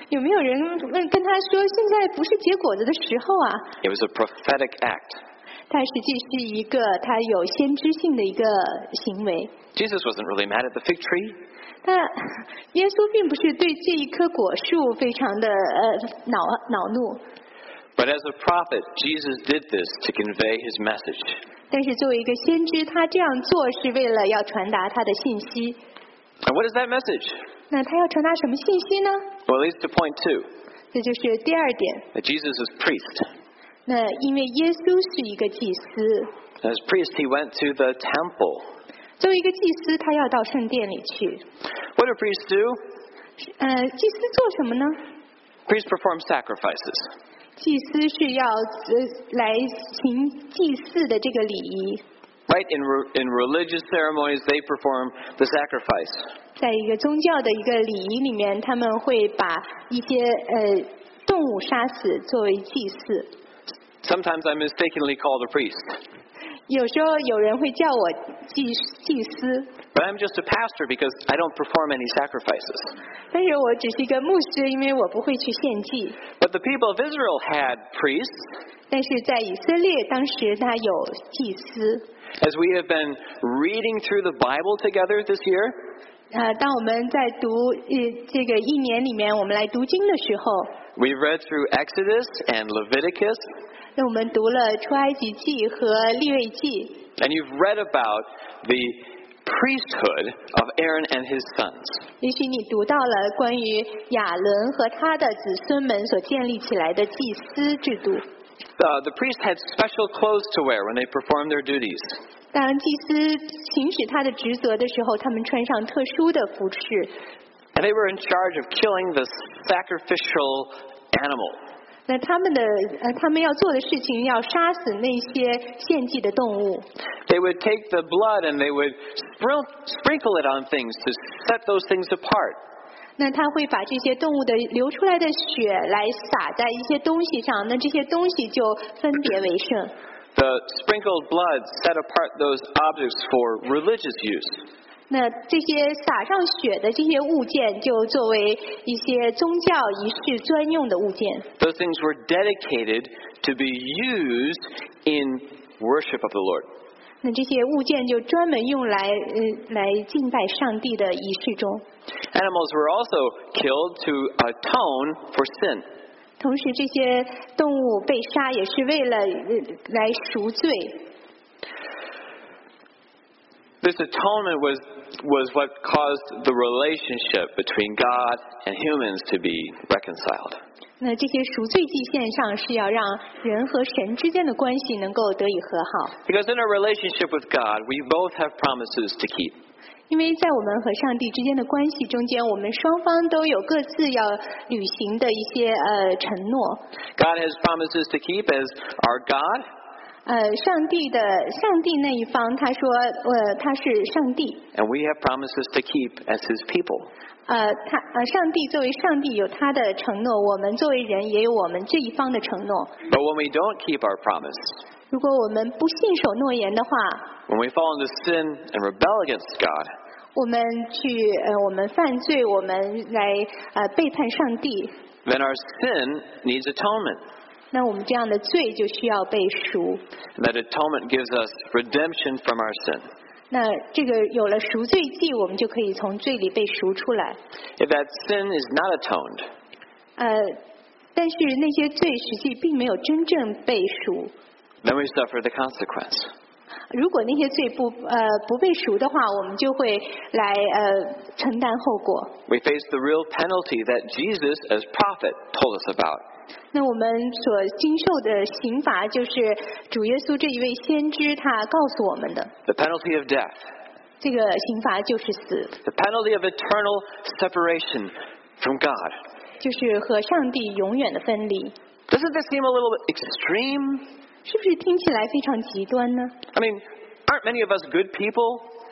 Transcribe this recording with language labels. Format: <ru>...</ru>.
<zh>有没有人跟他说现在不是结果子的时候啊?</zh> <en>It was a prophetic act.</en> <zh>它实际是一个他有先知性的一个行为。</zh> <en>Jesus wasn't really mad at the fig tree.</en> <zh>但耶稣并不是对这一棵果树非常的恼怒。</zh> <en>But as a prophet, Jesus did this to convey his message.</en> <zh>但是作为一个先知，他这样做是为了要传达他的信息。</zh> <en>And what is that message?</en> <zh>那他要传达什么信息呢?</zh> <en>Well, at least to point two.</en> <zh>这就是第二点。</zh> <en>That Jesus is priest.</en> <zh>那因为耶稣是一个祭司。</zh> <en>As priest, he went to the temple.</en> <zh>作为一个祭司，他要到圣殿里去。</zh> <en>What do priests do?</en> <zh>祭司做什么呢?</zh> <en>Priests perform sacrifices.</en> <zh>祭司是要来行祭祀的这个礼仪。</zh> <en>Right, in religious ceremonies, they perform the sacrifice.</en> <zh>在一个宗教的一个礼仪里面，他们会把一些动物杀死作为祭祀。</zh> <en>Sometimes I'm mistakenly called a priest.</en> <zh>有时候有人会叫我祭司。</zh> <en>But I'm just a pastor because I don't perform any sacrifices.</en> <zh>但是我只是一个牧师，因为我不会去献祭。</zh> <en>But the people of Israel had priests.</en> <zh>但是在以色列当时他有祭司。</zh> <en>As we have been reading through the Bible together this year,</en> <zh>当我们在读这个一年里面，我们来读经的时候，</zh> <en>we've read through Exodus and Leviticus.</en> <zh>那我们读了出埃及记和利未记。</zh> <en>And you've read about the priesthood of Aaron and his sons.</en> <zh>也许你读到了关于亚伦和他的子孙们所建立起来的祭司制度。</zh> <en>The priest had special clothes to wear when they performed their duties.</en> <zh>当祭司行使他的职责的时候，他们穿上特殊的服饰。</zh> <en>And they were in charge of killing the sacrificial animal.</en> <zh>那他们要做的事情，要杀死那些献祭的动物。</zh> <en>They would take the blood and they would sprinkle it on things to set those things apart.</en> <zh>那他会把这些动物的流出来的血来撒在一些东西上，那这些东西就分别为圣。</zh> <en>The sprinkled blood set apart those objects for religious use.</en> <zh>那这些撒上血的这些物件就作为一些宗教仪式专用的物件。</zh> <en>Those things were dedicated to be used in worship of the Lord.</en> <zh>那这些物件就专门用来敬拜上帝的仪式中。</zh> <en>Animals were also killed to atone for sin.</en> <zh>同时这些动物被杀也是为了来赎罪。</zh> <en>This atonement was what caused the relationship between God and humans to be reconciled.</en> <zh>那这些赎罪祭献上是要让人和神之间的关系能够得以和好。</zh> <en>Because in our relationship with God, we both have promises to keep.</en> <zh>因为在我们和上帝之间的关系中间，我们双方都有各自要履行的一些承诺。</zh> <en>God has promises to keep as our God.</en> <zh>上帝那一方他说他是上帝。</zh> <en>And we have promises to keep as His people.</en> <zh>上帝作为上帝有他的承诺，我们作为人也有我们这一方的承诺。</zh> <en>But when we don't keep our promise.</en> <zh>如果我们不信守诺言的话</zh> <en>，When we fall into sin and rebel against God，</en> <zh>我们犯罪，我们来背叛上帝</zh> <en>，Then our sin needs atonement。</en> <zh>那我们这样的罪就需要被赎。</zh> <en>That atonement gives us redemption from our sin。</en> <zh>那这个有了赎罪祭，我们就可以从罪里被赎出来。</zh> <en>If that sin is not atoned，</en> <zh>但是那些罪实际并没有真正被赎。</zh> <en>Then we suffer the consequence.</en> <zh>如果那些罪 不被赎的话，我们就会来承担后果。</zh> <en>We face the real penalty that Jesus as prophet told us about.</en> <zh>那我们所经受的刑罚就是主耶稣这一位先知他告诉我们的。</zh> <en>The penalty of death.</en> <zh>这个刑罚就是死。</zh> <en>The penalty of eternal separation from God.</en> <zh>就是和上帝永远的分离。</zh> <en>Doesn't this seem a little bit extreme?</en> <zh>是不是听起来非常极端呢？</zh> <en>I mean, aren't many of us good people?</en>